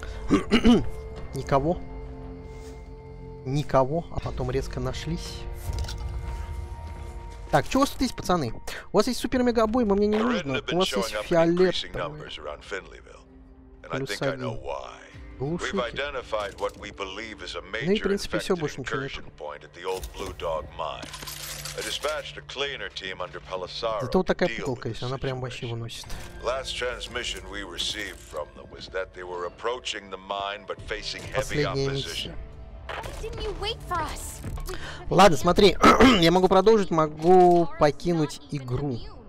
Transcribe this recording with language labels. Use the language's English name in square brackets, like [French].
[Russian] никого. Никого, а потом резко нашлись. Так, что у вас тут есть, пацаны? У вас есть супер-мега-бой, мне не нужно. У вас есть фиолетовый. Плюс один. [English] We've identified what we believe is a major incursion point at the old Blue Dog mine. I dispatched a cleaner team under Pelissaro to deal with the situation. Last transmission we received from them was that they were approaching the mine but facing heavy opposition. Didn't you wait for us? [Russian] Ладно, смотри, я могу продолжить, могу покинуть игру.